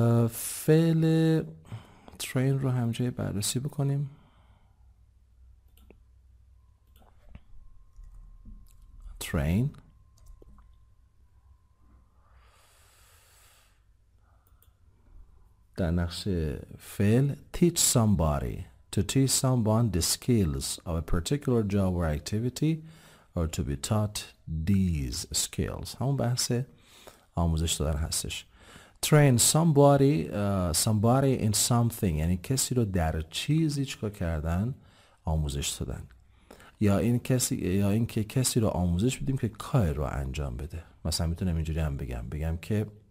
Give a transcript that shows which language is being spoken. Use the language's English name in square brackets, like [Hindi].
[Persian] فعل train رو هم جای بررسی بکنیم. [English] train [Persian] در نقش فعل [English] teach somebody to teach someone the skills of a particular job or activity or to be taught these skills. [Persian] همون بحث آموزش دادن هستش. [English] train somebody somebody in something [Persian] یعنی کسی رو در چیزی چکار کردن آموزش دادن، یا این کسی یا اینکه کسی رو آموزش بدیم که کار رو انجام بده. مثلا میتونم اینجوری هم بگم، بگم که